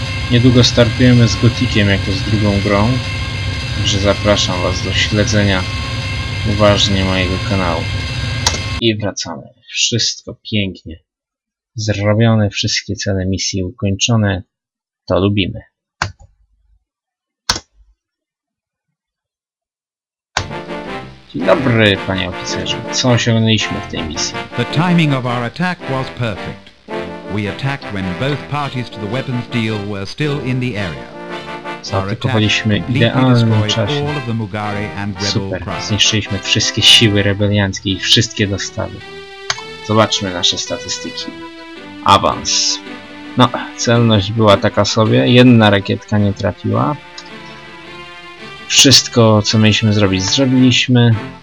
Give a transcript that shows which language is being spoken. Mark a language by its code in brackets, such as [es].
[pl] Niedługo startujemy z Gothiciem jako z drugą grą, także zapraszam was do śledzenia uważnie mojego kanału. I wracamy. Wszystko pięknie zrobione, wszystkie cele misji ukończone. To lubimy. Dzień dobry, panie oficerze. Co osiągnęliśmy w tej misji? [en] The timing of our attack was perfect. We attacked when both parties to the weapons deal were still in the area. [pl] Zaatakowaliśmy w idealnym czasie. Super, zniszczyliśmy wszystkie siły rebelianckie i wszystkie dostawy. Zobaczmy nasze statystyki. Awans. No, celność była taka sobie. Jedna rakietka nie trafiła. Wszystko, co mieliśmy zrobić, zrobiliśmy.